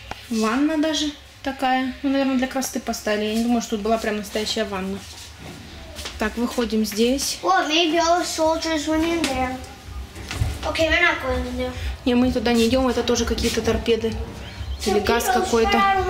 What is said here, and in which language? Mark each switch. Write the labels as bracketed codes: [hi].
[ru] Ванна даже такая. Ну, наверное, для красоты поставили. Я не думаю, что тут была прям настоящая ванна. Так, выходим здесь. [en] О, maybe all the soldiers went in there. Okay, we're not going in there. [ru] Не, мы туда не идем, это тоже какие-то торпеды. Или газ какой-то.